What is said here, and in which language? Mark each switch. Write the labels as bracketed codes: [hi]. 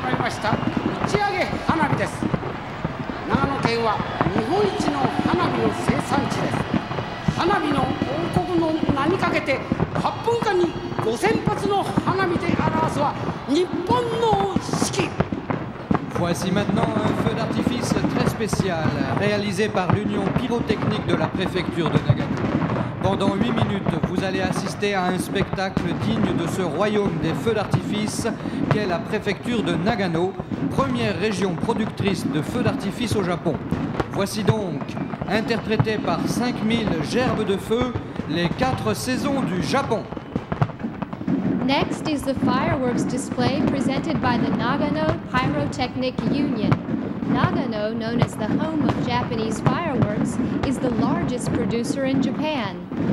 [ja] した打ち上げ花火です。長野県は日本一の花火の生産地です。花火の王国の名にかけて8分間に5000発の花火で表すは日本の四季。 [fr] Voici maintenant un feu d'artifice très spécial réalisé par l'Union pyrotechnique de la préfecture de Nagano. Pendant 8 minutes, vous allez assister à un spectacle digne de ce royaume des feux d'artifice qu'est la préfecture de Nagano, première région productrice de feux d'artifice au Japon. Voici donc, interprété par 5000 gerbes de feu, les 4 saisons du Japon. [en] Next is the fireworks display presented by the Nagano Pyrotechnic Union. Nagano, known as the home of Japanese fireworks, is the largest producer in Japan.